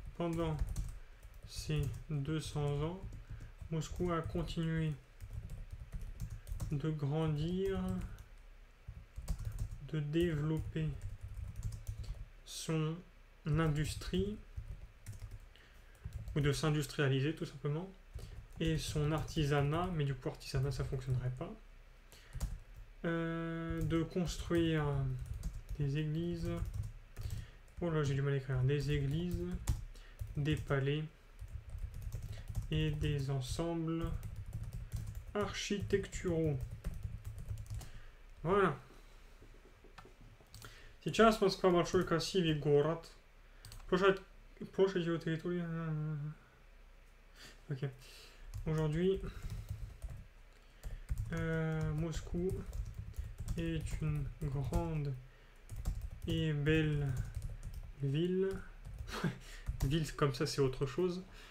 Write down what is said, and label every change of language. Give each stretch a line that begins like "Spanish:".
French: Pendant ces 200 ans, Moscou a continué de grandir, de développer son industrie, ou de s'industrialiser tout simplement, et son artisanat, mais du coup artisanat ça ne fonctionnerait pas, de construire des églises. Oh là, j'ai du mal à écrire. Des églises. Des palais et des ensembles architecturaux. Voilà.
Russian: Сейчас Москва большой красивый город. Площадь его территории.
French: Ok. Aujourd'hui, Moscou est une grande et belle ville. Ville comme ça, c'est autre chose.